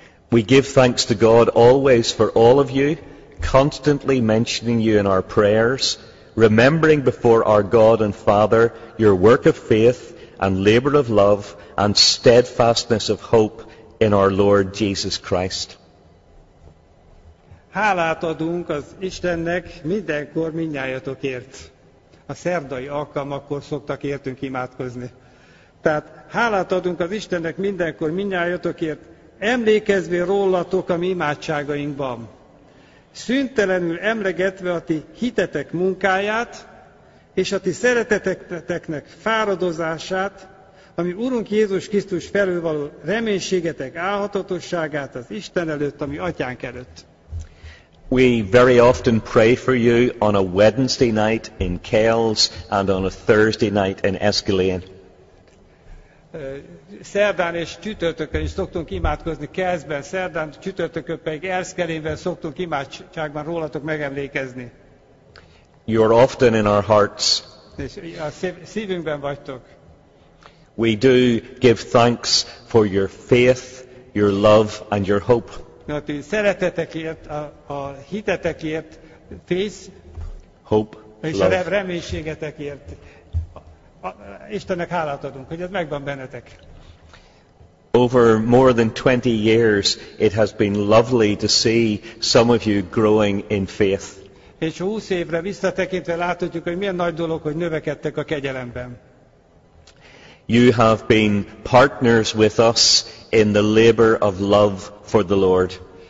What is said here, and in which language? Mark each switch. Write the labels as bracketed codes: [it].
[en] We give thanks to God always for all of you, constantly mentioning you in our prayers, remembering before our God and Father your work of faith and labor of love and steadfastness of hope in our Lord Jesus Christ. [hu] Hálát adunk az Istennek mindenkor mindnyájatokért. A szerdai alkalmakkor szoktak értünk imádkozni. Tehát hálát adunk az Istennek mindenkor mindnyájatokért, emlékezve rólatok a mi imádságainkban. Szüntelenül emlegetve a ti hitetek munkáját, és a ti szereteteknek fáradozását, ami Urunk Jézus Krisztus felől való reménységetek álhatatosságát az Isten előtt, ami Atyánk előtt. [en] We very often pray for you on a Wednesday night in Kells and on a Thursday night in Enniskillen. [hu] Szerdán és csütörtökön is szoktunk imádkozni Kellsben, szerdán, csütörtökön pedig Enniskillenben szoktunk imádságban rólatok megemlékezni. [en] You are often in our hearts. [hu] A szívünkben vagytok. [en] We do give thanks for your faith, your love, and your hope. [hu] A ti szeretetekért, a hitetekért, [en] faith, hope, [hu] és [en] love. [hu] A reménységetekért. Istennek hálát adunk, hogy ez megvan bennetek. [en] Over more than 20 years, it has been lovely to see some of you growing in faith. [hu] És 20 évre visszatekintve láthatjuk, hogy milyen nagy dolog, hogy növekedtek a kegyelemben. [en] You have been partners with us in the labor of love for the Lord.